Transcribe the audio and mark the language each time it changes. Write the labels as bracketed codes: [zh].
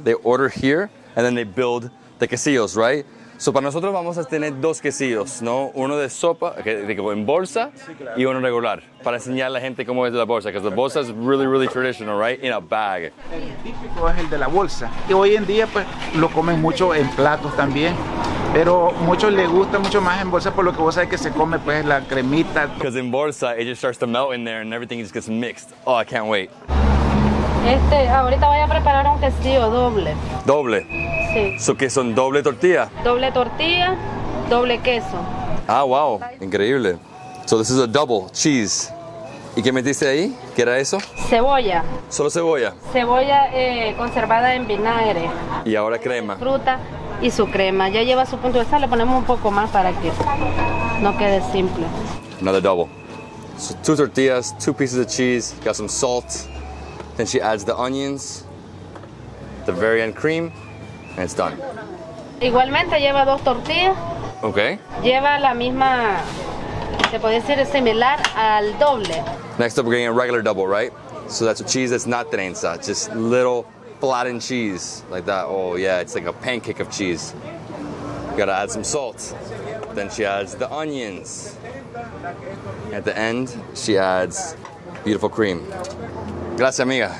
[en] They order here and then they build the quesillos, right? [es] So para nosotros vamos a tener dos quesillos, ¿no? Uno de sopa, en bolsa, y uno regular. Para enseñar a la gente cómo es la bolsa, [en] because the bolsa is really, really traditional, right? In a bag. [es] El típico es el de la bolsa. Y hoy en día, pues, lo comen mucho en platos también. Pero muchos le gusta mucho más en bolsa por lo que vos sabes que se come, pues, la cremita. [en] Because in bolsa, it just starts to melt in there and everything just gets mixed. Oh, I can't wait. [es] Ahorita voy a preparar un quesillo doble. ¿Doble? Sí. ¿So que son doble tortilla? Doble tortilla, doble queso. Ah, wow. Increíble. [en] So this is a double cheese. [es] ¿Y qué metiste ahí? ¿Qué era eso? Cebolla. ¿Solo cebolla? Cebolla conservada en vinagre. ¿Y ahora crema? Fruta y su crema. Ya lleva su punto de sal, le ponemos un poco más para que no quede simple. [en] Another double. So two tortillas, two pieces of cheese, got some salt. Then she adds the onions, the very end cream, and it's done. [es] Igualmente lleva dos tortillas. Okay. Lleva la misma, se puede decir similar al doble. [en] Next up, we're getting a regular double, right? So that's a cheese that's not trenza, just little flattened cheese like that. Oh yeah, it's like a pancake of cheese. You gotta add some salt. Then she adds the onions. At the end, she adds beautiful cream. [es] Gracias, amiga.